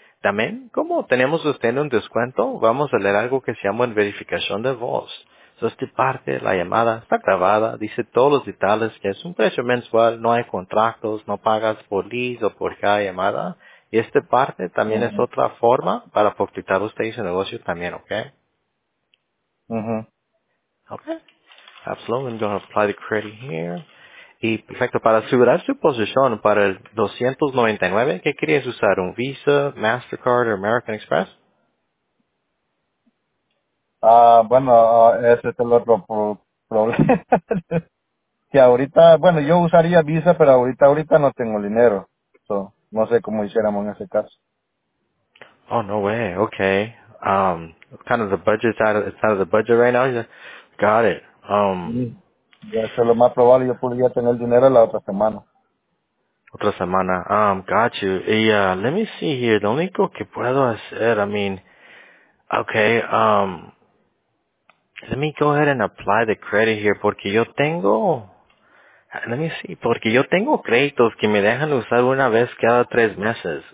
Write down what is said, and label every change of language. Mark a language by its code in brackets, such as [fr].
[es] También, como tenemos usted un descuento, vamos a leer algo que se llama en verificación de voz. So, esta parte, la llamada, está grabada, dice todos los detalles, que es un precio mensual, no hay contratos, no pagas por lease o por cada llamada. Y esta parte también es otra forma para facilitar usted y su negocio también, ¿ok? [en] Okay. Absolutely, I'm going to apply the credit here. [es] Y perfecto, para asegurar su posición para el 299, ¿qué querías usar? ¿Un Visa, MasterCard o American Express? Ese es el otro problema. Que ahorita, bueno, yo usaría Visa, pero ahorita no tengo dinero. So, no sé cómo hiciéramos en ese caso. [en] Oh, no way. Okay. Kind of the budget, it's out of the budget right now. Got it. [es] Eso es lo más probable. Yo podría tener dinero la otra semana. Otra semana. [en] Got you. Y, let me see here. [es] Lo único que puedo hacer, [en] let me go ahead and apply the credit here, [es] porque yo tengo, créditos que me dejan usar una vez cada tres meses.